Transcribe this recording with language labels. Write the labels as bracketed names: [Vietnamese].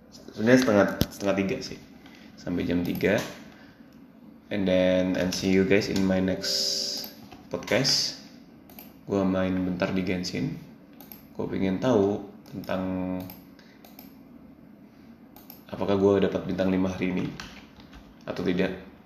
[Indonesian] Sebenarnya setengah 3 sih. Sampai jam 3. [English] And see you guys in my next podcast. [Indonesian] Gua main bentar di Genshin. Gua pengen tahu tentang apakah gua dapat bintang 5 hari ini atau tidak.